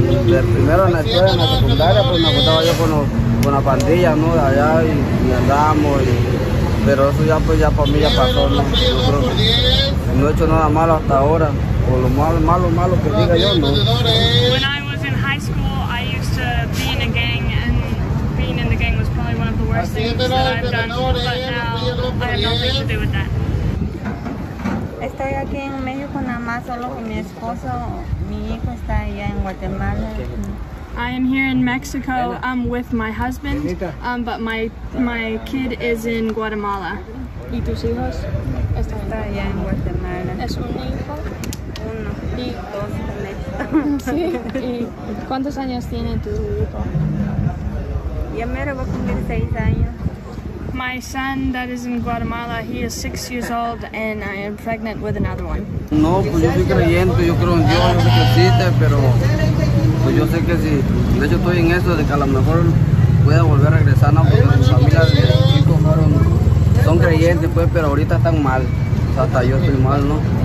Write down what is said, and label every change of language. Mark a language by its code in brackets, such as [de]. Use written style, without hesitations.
[es] De primero en la escuela, en la secundaria, pues me juntaba yo con la pandilla, ¿no? De allá y andábamos, pero eso ya, pues ya para mí ya pasó, ¿no? Yo creo que no he hecho nada malo hasta ahora, por lo malo que diga yo, ¿no? [en] When I was in high school, I used to be in a gang, and being in the gang was probably one of the worst things that I've done, but now I have nothing to do with that. [es] Estoy aquí en México nada más solo con mi esposo. Mi hijo está allá en Guatemala. [en] I am here in Mexico with my husband, but my kid is in Guatemala. [es] ¿Y tus hijos? Está allá en Guatemala. ¿Es un hijo? Uno. ¿Y dos también? ¿Sí? ¿Y cuántos años tiene tu hijo? Ya me lo voy a cumplir 6 años. [en] My son that is in Guatemala, he is 6 years old and I am pregnant with another one. [es] No, pues yo soy creyente, yo creo en Dios, yo sé que existe, pero pues yo sé que si, de hecho estoy en eso, de que a lo mejor pueda volver a regresar, no, porque mi familia de chicos fueron, son creyentes, pues, pero ahorita están mal, o sea, hasta yo estoy mal, ¿no?